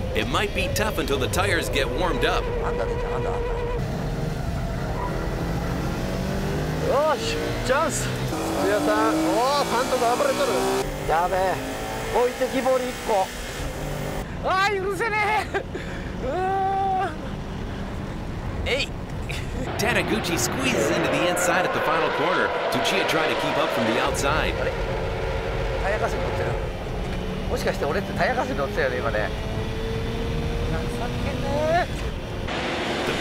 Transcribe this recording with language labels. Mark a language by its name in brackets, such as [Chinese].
[English] It might be tough until the tires get warmed up. [Japanese] あんだ、出ちゃう、あんだ、あんだ。よし、チャンス。土屋さん、おー、ファントが暴れとる。やべえ、置いてきぼり1個。あー、許せねえ。 [English] Taniguchi squeezes into the inside at the final corner. Tsuchiya trying to keep up from the outside. The